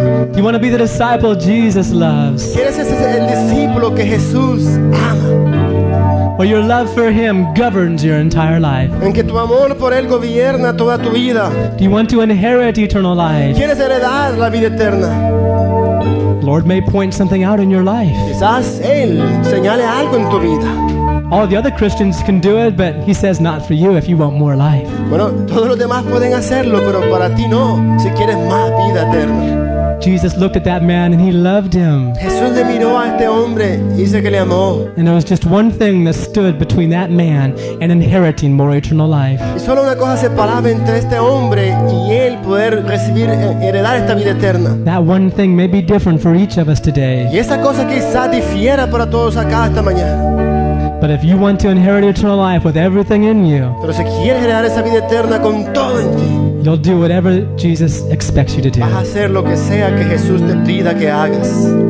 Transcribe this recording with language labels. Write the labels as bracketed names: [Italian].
[English] Do you want to be the disciple Jesus loves? [Spanish] ¿Quieres ser el discípulo que Jesús ama? [English] Where your love for Him governs your entire life. [Spanish] En que tu amor por Él gobierna toda tu vida. [English] Do you want to inherit eternal life? [Spanish] ¿Quieres heredar la vida eterna? [English] The Lord may point something out in your life. [Spanish] Quizás Él señale algo en tu vida. [English] All the other Christians can do it, but He says not for you if you want more life. [Spanish] Bueno, todos los demás pueden hacerlo, pero para ti no, si quieres más vida eterna. [English] Jesus looked at that man and He loved him. [Spanish] Jesús le miró a este hombre y dice que le amó. [English] And there was just one thing that stood between that man and inheriting more eternal life. [Spanish] Y solo una cosa separaba entre este hombre y él poder recibir heredar esta vida eterna. [English] That one thing may be different for each of us today. [Spanish] Y esa cosa quizá difiera para todos acá esta mañana. [English] But if you want to inherit eternal life with everything in you, [Spanish] pero si quieres heredar esa vida eterna con todo en ti, [English] you'll do whatever Jesus expects you to do. [Spanish] Vas a hacer lo que sea que Jesús te pida que hagas.